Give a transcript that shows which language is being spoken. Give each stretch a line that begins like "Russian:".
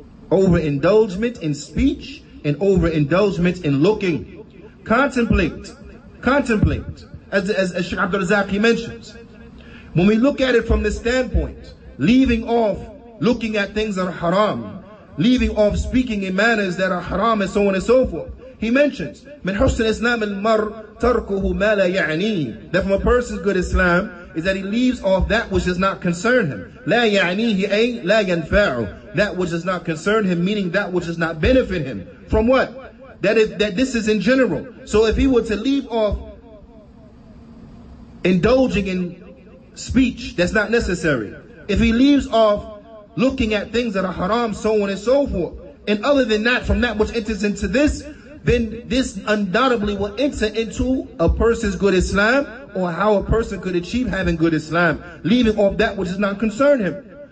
English: Overindulgement in speech and overindulgement in looking. Contemplate, contemplate, as Sheikh Abdul Razak he mentions, When we look at it from the standpoint, leaving off looking at things that are haram, leaving off speaking in manners that are haram and so on and so forth. He mentions,
Arabic: من حسن إسلام المر تركه ما لا يعني.
English: That from a person's good Islam is that he leaves off that which does not concern him.
Arabic: لا يعنيه أي لا ينفعه.
English: That which does not concern him, meaning that which does not benefit him. From what? That this is in general. So if he were to leave off indulging in speech that's not necessary, if he leaves off looking at things that are haram, so on and so forth, and other than that, from that which enters into this, then this undoubtedly will enter into a person's good Islam, or how a person could achieve having good Islam, leaving off that which does not concern him.